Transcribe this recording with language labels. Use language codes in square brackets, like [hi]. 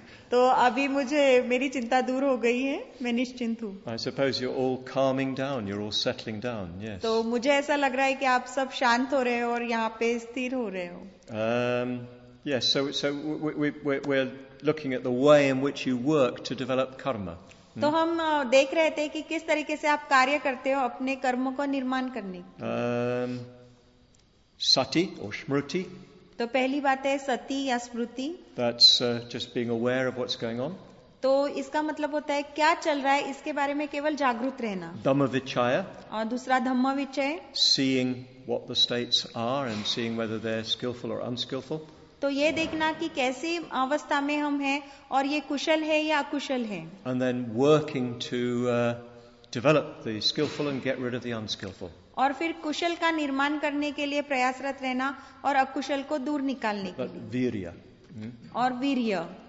[hi] तो अभी मुझे मेरी चिंता दूर हो गई है. मैं निश्चिंत हूँ. [en] I suppose you're all calming down. You're all settling down. Yes. [hi] तो मुझे ऐसा लग रहा है कि आप सब शांत हो रहे हो और यहाँ पे स्थिर हो रहे हो. [en] Yes. So we're looking at the way in which you work to develop karma. [hi] तो हम देख रहे थे कि किस तरीके से आप कार्य करते हो अपने कर्मों को निर्माण करने. सती और स्मृति. तो पहली बात है सती या स्मृति. [en] That's just being aware of what's going on. [hi] तो इसका मतलब होता है क्या चल रहा है इसके बारे में केवल जागरूक रहना. धम्मविचाया. और दूसरा धम्मविचय. [en] Seeing what the states are and seeing whether they're skillful or unskillful. [hi] तो ये देखना कि कैसी अवस्था में हम हैं और ये कुशल है या अकुशल है. [en] And then working to develop the skillful and get rid of the unskillful. [hi] और फिर कुशल का निर्माण करने के लिए प्रयासरत रहना और अकुशल को दूर निकालने के लिए. वीर्य. और वीर्य.